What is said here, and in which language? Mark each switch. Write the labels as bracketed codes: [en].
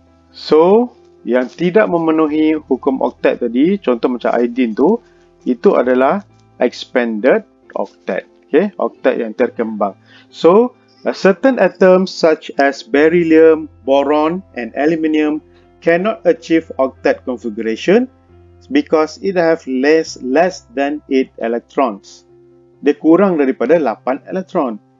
[ms] So, yang tidak memenuhi hukum oktet tadi, contoh macam iodine tu, itu adalah expanded oktet. Okay, oktet yang terkembang. [en] So, certain atoms such as beryllium, boron and aluminium cannot achieve octet configuration because it have less than 8 electrons. [ms] Dia kurang daripada 8 elektron.